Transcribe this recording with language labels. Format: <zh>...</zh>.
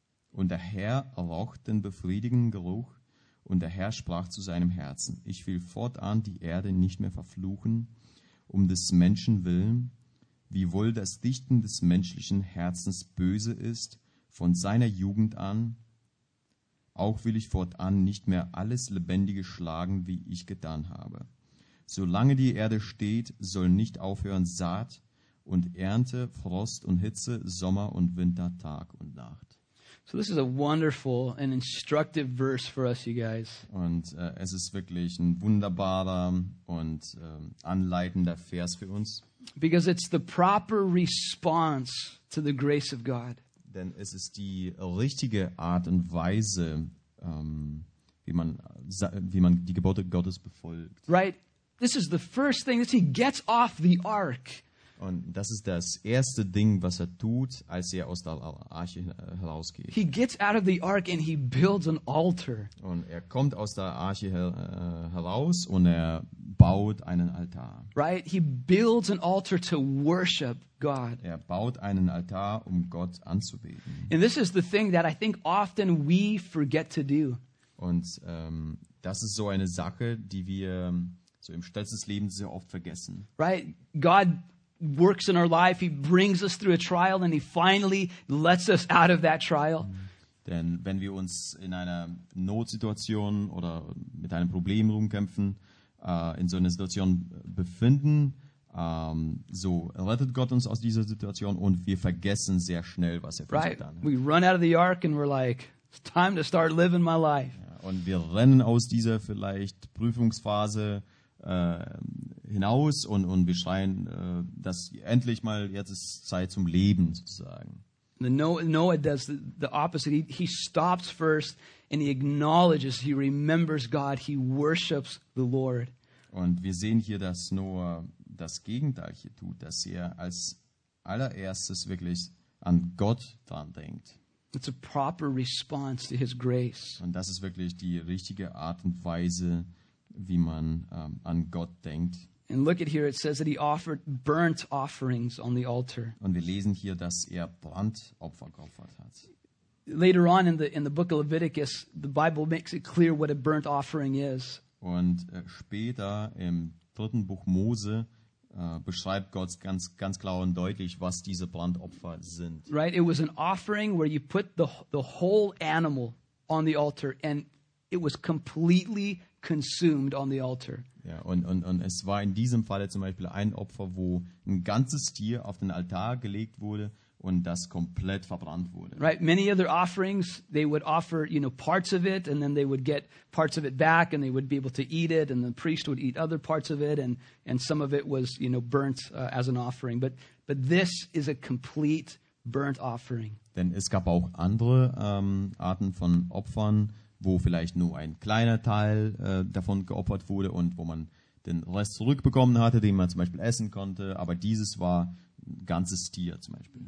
<de>Und der Herr roch den befriedigenden Geruch und der Herr sprach zu seinem Herzen: Ich will fortan die Erde nicht mehr verfluchen, um des Menschen willen, wie wohl das Dichten des menschlichen Herzens böse ist, von seiner Jugend an, auch will ich fortan nicht mehr alles Lebendige schlagen, wie ich getan habe. Solange die Erde steht, soll nicht aufhören Saat und Ernte, Frost und Hitze, Sommer und Winter, Tag und Nacht.</de> <en>So this is a wonderful and instructive verse for us, you guys.</en> <de>Und es ist wirklich ein wunderbarer und anleitender Vers für uns.</de> <en>Because it's the proper response to the grace of God.</en> <de>Denn es ist die richtige Art und Weise, wie man die Gebote Gottes befolgt.</de> <en>Right. This is the first thing that he gets off the ark.</en> <de>Und das ist das erste Ding, was er tut, als er aus der Arche herausgeht.</de> <en>He gets out of the ark and he builds an altar.</en> <de>Und er kommt aus der Arche heraus und er baut einen Altar.</de> <en>Right? He builds an altar to worship God.</en> <de>Er baut einen Altar, um Gott anzubeten.</de> <en>And this is the thing that I think often we forget to do.</en> <de>Und das ist so eine Sache, die wir so im Stress des Lebens sehr oft vergessen.</de> <en>Right? God works in our life, he brings us through a trial and he finally lets us out of that trial.</en> <de>Denn wenn wir uns in einer Notsituation oder mit einem Problem rumkämpfen, in so einer Situation befinden, so rettet Gott uns aus dieser Situation und wir vergessen sehr schnell, was er für</de> <en>right.</en> <de>uns getan hat.</de> <en>We run out of the ark and we're like, it's time to start living my life.</en> <de>Ja, und wir rennen aus dieser vielleicht Prüfungsphase hinaus und wir schreien, dass endlich mal jetzt ist Zeit zum Leben sozusagen.</de> <en>Noah does the opposite. He stops first and he acknowledges, he remembers God, he worships the Lord.</en> <de>Und wir sehen hier, dass Noah das Gegenteil hier tut, dass er als allererstes wirklich an Gott dran denkt.</de> <en>It's a proper response to his grace.</en> <de>Und das ist wirklich die richtige Art und Weise, wie man an Gott denkt.</de> <en>And look at here, it says that he offered burnt offerings on the altar.</en> <de>Und wir lesen hier, dass er Brandopfer geopfert hat.</de> <en>Later on in the book of Leviticus, the Bible makes it clear what a burnt offering is.</en> <de>Und später im dritten Buch Mose beschreibt Gott ganz ganz klar und deutlich, was diese Brandopfer sind.</de> <en>Right, it was an offering where you put the whole animal on the altar and it was completely consumed on the altar.</en> <de>Ja, und es war in diesem Falle zum Beispiel ein Opfer, wo ein ganzes Tier auf den Altar gelegt wurde und das komplett verbrannt wurde.</de> <en>Right, many other offerings, they would offer, you know, parts of it and then they would get parts of it back and they would be able to eat it and the priest would eat other parts of it and some of it was, you know, burnt as an offering. But this is a complete burnt offering.</en> <de>Denn es gab auch andere Arten von Opfern, wo vielleicht nur ein kleiner Teil davon geopfert wurde und wo man den Rest zurückbekommen hatte, den man zum Beispiel essen konnte. Aber dieses war ein ganzes Tier zum Beispiel.</de>